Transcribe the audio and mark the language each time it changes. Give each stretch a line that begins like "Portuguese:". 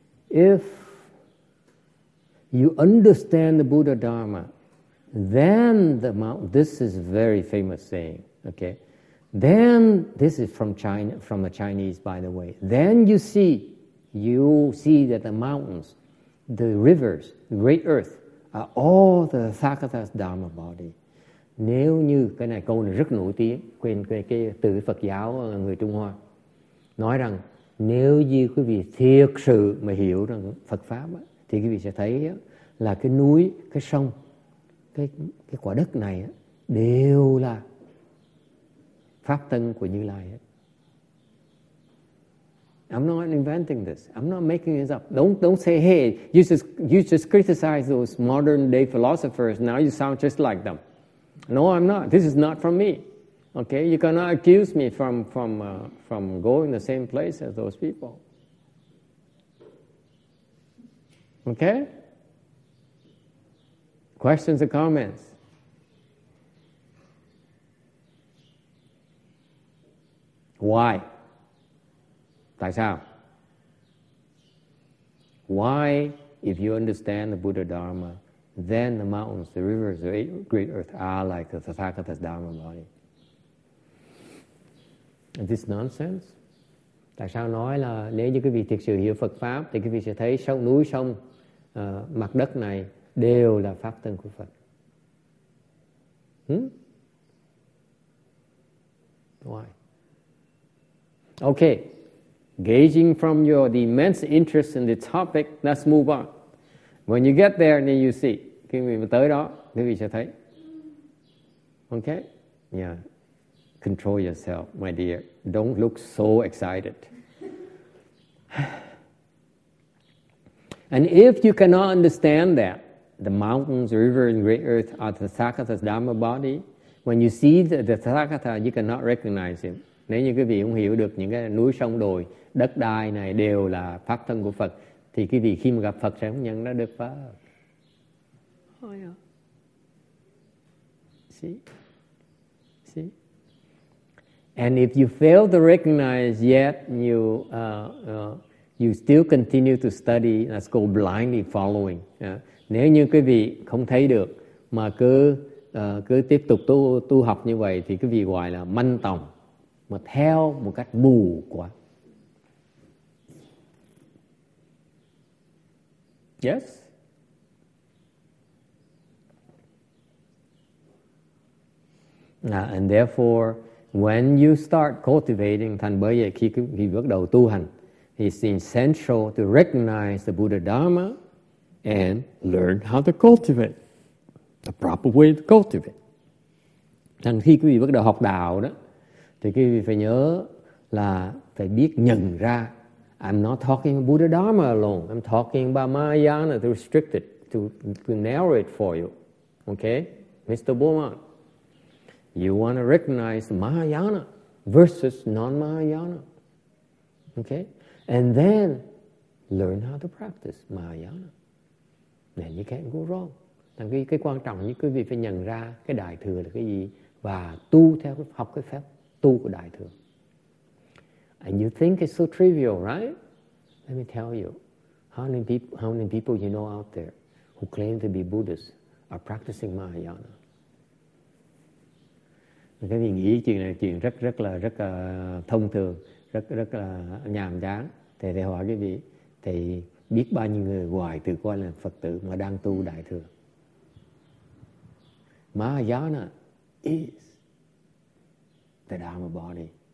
English: If you understand the Buddha Dharma, then this is a very famous saying, okay? Then, this is from China, from the Chinese, by the way. Then you see that the mountains, the rivers, the great earth, are all the Sakata's Dharma body.
Vietnamese: Nếu như cái này câu này rất nổi tiếng, quên cái từ Phật giáo người Trung Hoa nói rằng nếu như quý vị thiệt sự mà hiểu rằng Phật pháp á, thì quý vị sẽ thấy á, là cái núi, cái sông, cái quả đất này á, đều là pháp tân của Như Lai hết.
English: I'm not inventing this. I'm not making this up. Don't say, hey, you just criticize those modern day philosophers. Now you sound just like them. No, I'm not. This is not from me. Okay, you cannot accuse me from going the same place as those people. Okay? Questions or comments? Why?
Vietnamese: Tại sao?
English: Why, if you understand the Buddha Dharma, then the mountains, the rivers, the great earth are like the Tathagata's Dharma body? Is this nonsense?
Vietnamese: Tại sao nói là nếu như quý vị thực sự hiểu Phật pháp thì quý vị sẽ thấy sông núi sông mặt đất này đều là pháp tân của Phật.
English: Why? Okay. Gauging from your the immense interest in the topic, let's move on. When you get there, then you see.
Vietnamese: Khi quý vị tới đó, quý vị sẽ thấy.
English: Okay? Yeah. Control yourself, my dear. Don't look so excited. And if you cannot understand that the mountains, river, and great earth are the Tathagata's Dharma body, when you see the Tathagata, you cannot recognize him.
Vietnamese: Nếu như quý vị không hiểu được những cái núi sông đồi, đất đai này đều là pháp thân của Phật, thì quý vị khi mà gặp Phật sẽ không nhận ra được Phật.
English: Oh, yeah. See? And if you fail to recognize yet, you still continue to study, let's go blindly following.
Vietnamese: Nếu như quý vị không thấy được, mà cứ tiếp tục tu học như vậy, thì quý vị gọi là manh tòng, mà theo một cách mù quá.
English: Yes? And therefore, when you start cultivating
Vietnamese: thành bơ dạy, khi bước đầu tu hành,
English: it's essential to recognize the Buddha Dharma and learn how to cultivate, the proper way to cultivate.
Vietnamese: Thành khi quý vị bước đầu học đạo đó, thì quý vị phải nhớ là phải biết nhận ra.
English: I'm not talking about Buddha Dharma alone. I'm talking about Mahayana to restrict it, to narrow it for you. Okay? Mr. Bowman, you want to recognize Mahayana versus non-Mahayana. Okay? And then learn how to practice Mahayana. Then you can't go wrong.
Vietnamese: Thành cái quan trọng như quý vị phải nhận ra cái Đại Thừa là cái gì và tu theo cái học cái phép tu của Đại Thừa.
English: And you think it's so trivial, right? Let me tell you, how many people you know out there who claim to be Buddhists are practicing Mahayana?
Vietnamese: Cái vị nghĩ chuyện này chuyện rất là thông thường, rất là nhàm chán. Thì hỏi cái vị, thì biết bao nhiêu người ngoài tự coi là Phật tử mà đang tu Đại Thừa?
English: Mahayana is the Dharma body,